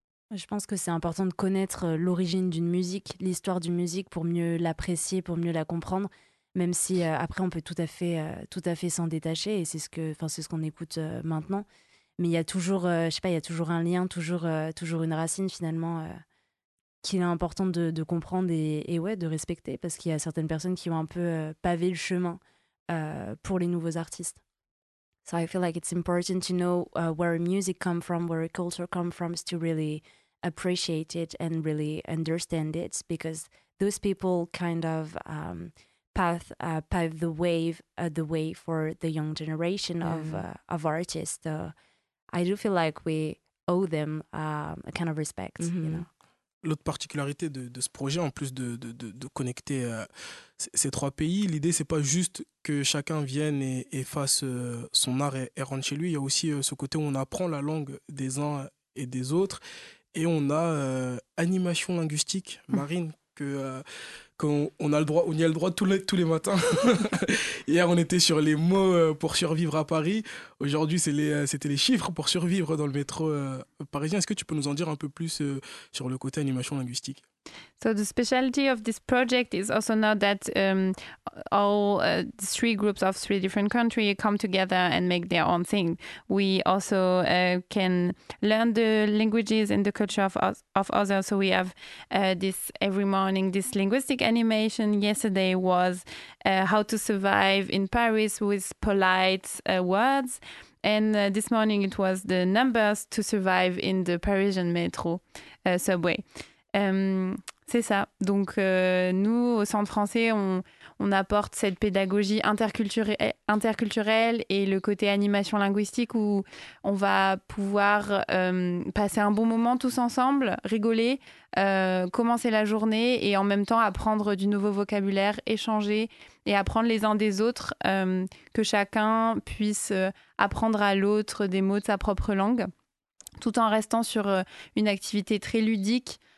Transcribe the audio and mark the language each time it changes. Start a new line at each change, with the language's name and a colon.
French: Je pense que c'est important de connaître l'origine d'une musique, l'histoire d'une musique pour mieux l'apprécier, pour mieux la comprendre, même si après on peut tout à fait s'en détacher et c'est ce qu'on écoute maintenant. Mais il y a toujours, il y a toujours un lien, toujours une racine finalement qu'il est important de comprendre et de respecter parce qu'il y a certaines personnes qui ont un peu pavé le chemin pour les nouveaux artistes.
English: So I feel like it's important to know where music comes from, where culture comes from, to really appreciate it and really understand it, because those people kind of pave the way for the young generation of artists. So I do feel like we owe them a kind of respect, you know.
French: L'autre particularité de ce projet, en plus de connecter ces trois pays, l'idée, c'est pas juste que chacun vienne et fasse son art et rentre chez lui. Il y a aussi ce côté où on apprend la langue des uns et des autres. Et on a animation linguistique. Marine, qu'on a le droit, on y a le droit tous les matins. Hier, on était sur les mots pour survivre à Paris. Aujourd'hui, c'était les chiffres pour survivre dans le métro parisien. Est-ce que tu peux nous en dire un peu plus sur le côté animation linguistique?
English: So the specialty of this project is also not that all three groups of three different countries come together and make their own thing. We also can learn the languages and the culture of others. So we have this every morning, this linguistic animation. Yesterday was how to survive in Paris with polite words. And this morning it was the numbers to survive in the Parisian metro subway.
French: C'est ça. Donc, nous, au Centre français, on apporte cette pédagogie interculturelle et le côté animation linguistique où on va pouvoir passer un bon moment tous ensemble, rigoler, commencer la journée et en même temps apprendre du nouveau vocabulaire, échanger et apprendre les uns des autres, que chacun puisse apprendre à l'autre des mots de sa propre langue, tout en restant sur une activité très ludique.